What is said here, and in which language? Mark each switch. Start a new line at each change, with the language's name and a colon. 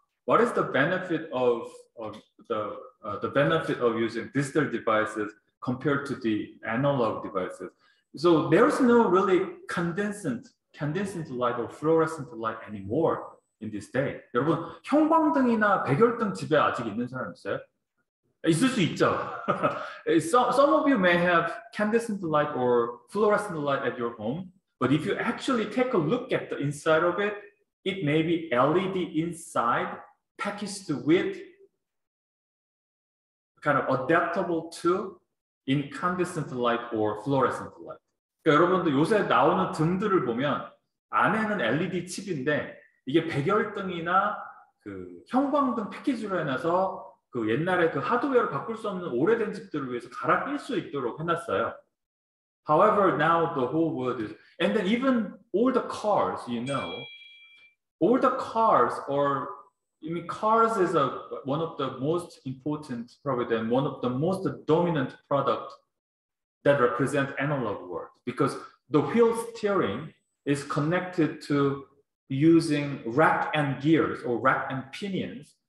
English: What is the benefit of the benefit of using digital devices compared to the analog devices? So there's no really condensed light or fluorescent light anymore in this day.
Korean: 여러분, 형광등이나 백열등 집에 아직 있는 사람 있어요? 있을 수 있죠.
English: Some of you may have candescent light or fluorescent light at your home, but if you actually take a look at the inside of it, it may be LED inside packaged with kind of adaptable to incandescent light or fluorescent light.
Korean: 그러니까 여러분도 요새 나오는 등들을 보면 안에는 LED 칩인데 이게 백열등이나 그 형광등 패키지로 해놔서 그 옛날에 그 하드웨어를 바꿀 수 없는 오래된 집들을 위해서 갈아낄 수 있도록 해놨어요.
English: However, now the whole world is, and then even all the cars, you know, all the cars are, I mean, cars is one of the most important, probably then one of the most dominant product that represent analog world because the wheel steering is connected to using rack and gears or rack and pinions.